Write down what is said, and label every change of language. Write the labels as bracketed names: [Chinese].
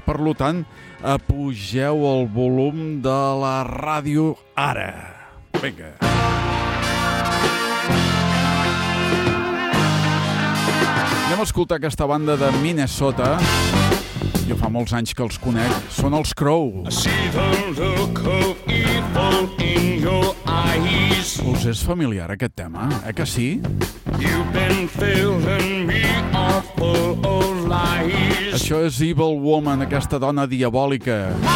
[Catalan] Per tant, apugeu el volum de la ràdio ara. Vinga. Anem a escoltar aquesta banda de Minnesota. Jo fa molts anys que els conec. Són els Crow. [English] I see the look of evil in your eyes. [Catalan] Us és familiar aquest tema, eh que sí? [English] You've been filling me up full of lies. [Catalan] Això és Evil Woman, aquesta dona diabòlica.